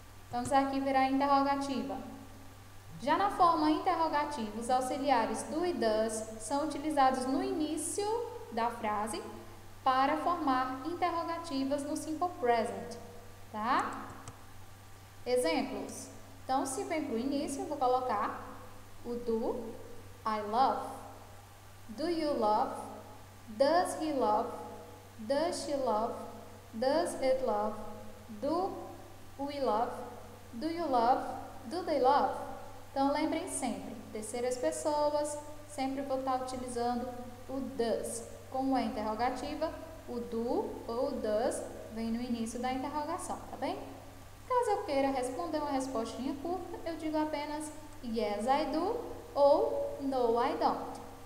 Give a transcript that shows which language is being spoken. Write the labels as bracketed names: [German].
[Portuguese] Vamos aqui ver a interrogativa. Já na forma interrogativa, os auxiliares do e does são utilizados no início da frase para formar interrogativas no simple present, tá? Exemplos. Então, se vem para o início, eu vou colocar o do... [English] I love, do you love, does he love, does she love, does it love, do we love, do you love, do they love. [Portuguese] Então, lembrem sempre, terceiras pessoas, sempre vou estar utilizando o does. Como é interrogativa, o do ou o does vem no início da interrogação, tá bem? Caso eu queira responder uma respostinha curta, eu digo apenas [English] yes, I do ou no, I don't.